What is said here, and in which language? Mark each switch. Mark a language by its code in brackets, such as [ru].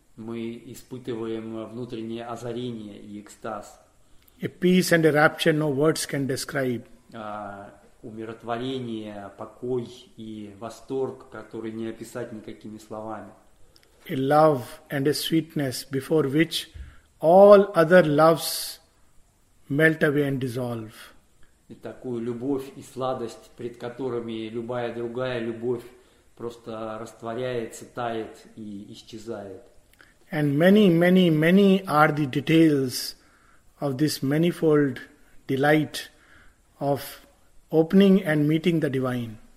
[ru] Мы испытываем внутреннее озарение и экстаз. [en] A peace and a rapture no words can describe. [ru] Умиротворение, покой и восторг, который не описать никакими словами. [en] A love and a sweetness before which all other loves melt away and dissolve. [ru] И такую любовь и сладость, пред которыми любая другая любовь просто растворяется, тает и исчезает. [en] And many, many, many are the details of this manifold delight of opening and meeting the divine.